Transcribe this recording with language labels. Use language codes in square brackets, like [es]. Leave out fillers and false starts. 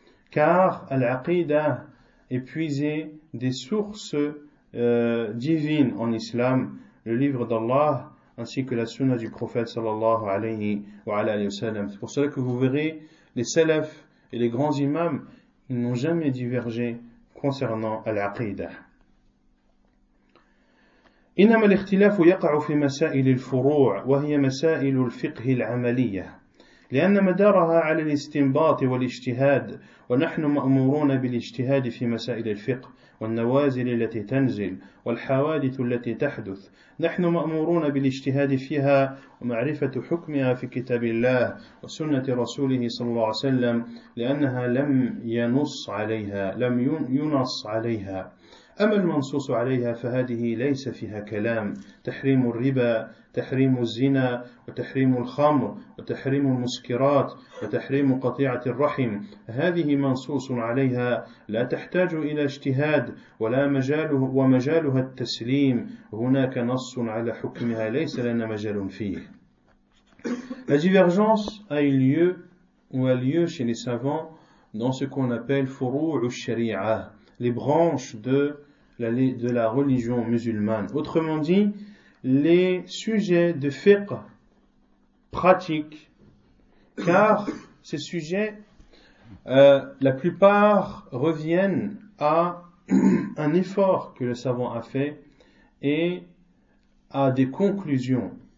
[fr] Car l'aqidah est puisée des sources divines en islam, le livre d'Allah, ainsi que la sunna du prophète sallallahu alayhi wa sallam. C'est pour cela que vous verrez les salafs et les grands imams, ils n'ont jamais divergé concernant l'aqidah. [ar] إنما الاختلاف يقع في مسائل الفروع وهي مسائل الفقه العملية لأن مدارها على الاستنباط والاجتهاد ونحن مأمورون بالاجتهاد في مسائل الفقه والنوازل التي تنزل والحوادث التي تحدث نحن مأمورون بالاجتهاد فيها ومعرفة حكمها في كتاب الله وسنة رسوله صلى الله عليه وسلم لأنها لم ينص عليها لم ينص عليها أما المنصوص عليها فهذه ليس فيها كلام تحريم الربا تحريم الزنا وتحريم الخمر وتحريم المسكرات وتحريم قطيعة الرحم هذه منصوص عليها لا تحتاج إلى اجتهاد ولا مجاله ومجالها التسليم هناك نص على حكمها ليس لنا مجال فيه. [fr] La divergence a eu lieu ou a lieu chez les savants dans ce qu'on appelle [ar] فروع الشريعة. [fr] Les branches de la religion musulmane. Autrement dit, les sujets de fiqh pratiques, car ces sujets, la plupart reviennent à un effort que le savant a fait et à des conclusions.